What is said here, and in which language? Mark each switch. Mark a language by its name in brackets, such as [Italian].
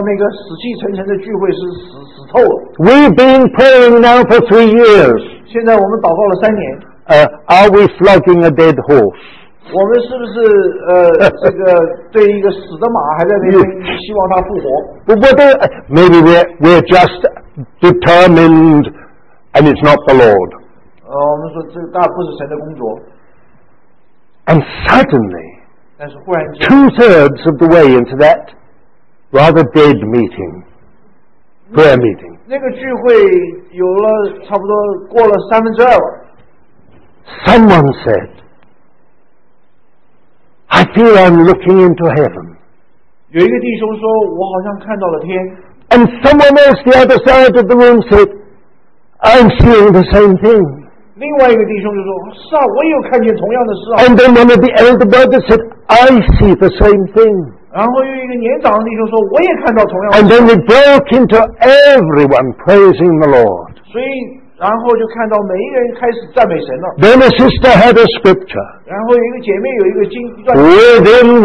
[Chinese] 我刚刚讲到那个死气沉沉的聚会是死透了。 [English] We've been praying now for 3 years. [Chinese] 现在我们祷告了3年。 [English] Are we flogging a dead horse? [Chinese] 我们是不是, 这个对一个死的马还在那边希望它复活? [English] Maybe we're just determined, and it's not the Lord. And suddenly, [Chinese] 但是忽然间, [English] 2/3 of the way into that rather dead meeting, prayer meeting, [Chinese] 那个聚会有了差不多过了三分之二了, [English] someone said, I feel I'm looking into heaven. [Chinese] 有一个弟兄说我好像看到了天。 [English] And someone else the other side of the room said, I'm seeing the same thing. [Chinese] 另外一个弟兄就说,是啊,我也有看见同样的事啊。 [English] And then one of the elder brothers said, I see the same thing. [Chinese] 然后又一个年长的弟兄说,我也看到同样的事。 [English] And then we broke into everyone praising the Lord. [Chinese] 所以,然后就看到每一个人开始赞美神了。 [English] Then a sister had a scripture. [Chinese] 然后一个姐妹有一个经,